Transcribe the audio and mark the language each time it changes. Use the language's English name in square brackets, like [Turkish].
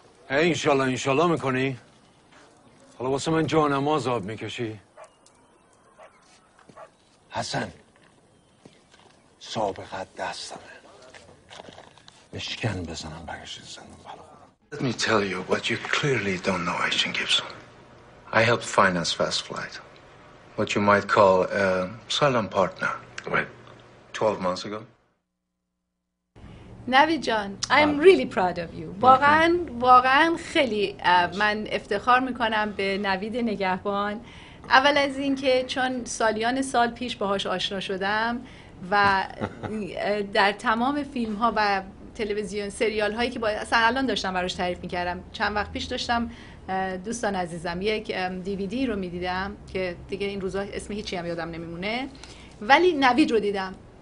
[Persian] اینشالله اینشالله میکنی حالا واسه من جانماز آب میکشی حسن سابقت دستمه بشکن بزنم برشت زندون بلا [English] Let me tell you what you clearly don't know, Agent Gibson. I helped finance Fast Flight, what you might call a silent partner. When? 12 months ago. [Persian] نوید جان [English] I'm really proud of you [Persian] واقعا خیلی من افتخار میکنم به نوید نگهبان اول از این که چون سالیان سال پیش باهاش آشنا شدم و در تمام فیلم ها و تلویزیون سریال هایی که با اصلا الان داشتم براش تعریف میکردم چند وقت پیش داشتم دوستان عزیزم یک DVD رو میدیدم که دیگه این روزا اسم هیچی هم یادم نمیمونه ولی نوید رو دیدم